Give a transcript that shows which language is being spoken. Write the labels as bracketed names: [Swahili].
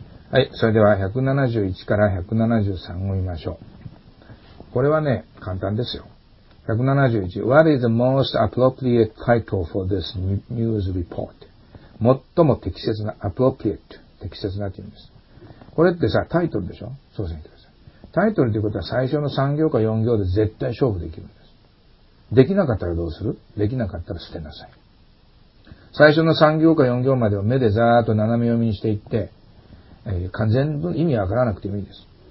[Japanese] はい、それでは171から173を見ましょう。これはね、簡単ですよ。 [English] 171、What is the most appropriate title for this news report? [Japanese] 最も適切な、appropriate、適切なって言うんです。これってさ、タイトルでしょ？そうですね。タイトルということは最初の3行か4行で絶対勝負できるんです。できなかったらどうする？できなかったら捨てなさい。最初の3行か4行までを目でざーっと斜め読みにしていって、全部意味わからなくてもいいです。